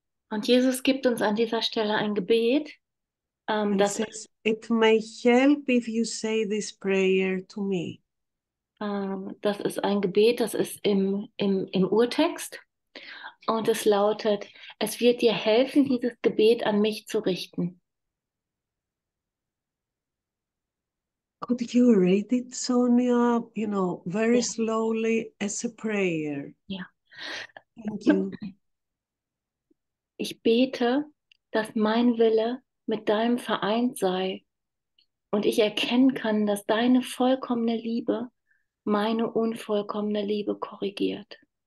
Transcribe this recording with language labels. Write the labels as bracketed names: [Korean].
[German] Und Jesus gibt uns an dieser Stelle ein Gebet, [English] And [German] das [English] says, it may help if you say this prayer to me. [German] Das ist ein Gebet, das ist im Urtext. Und es lautet, es wird dir helfen, dieses Gebet an mich zu richten. [English] Could you read it, Sonia, you know, very slowly as a prayer? [German] Ja. [English] Thank you. [German] Ich bete, dass mein Wille mit deinem vereint sei und ich erkennen kann, dass deine vollkommene Liebe meine unvollkommene Liebe korrigiert.